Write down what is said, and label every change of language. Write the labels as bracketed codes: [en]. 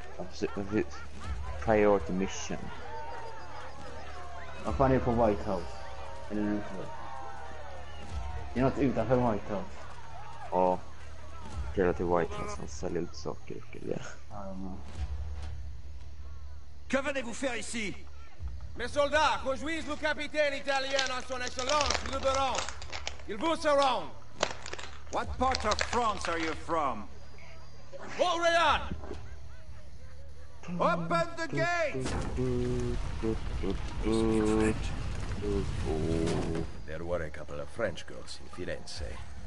[en] Absolut. Priority mission. [sv] Vad fan är det på White House? Eller nu? Det är något utanför White House. Ja. Kalla till White House, han säljer ut saker och grejer. [fr] Que venez-vous faire ici? Mes soldats, conjuise le capitaine italien à son excellence, le baron. Il vous sera. [en] What part of France are you from? Montréal! Open the gates! There were a couple of French girls in Firenze.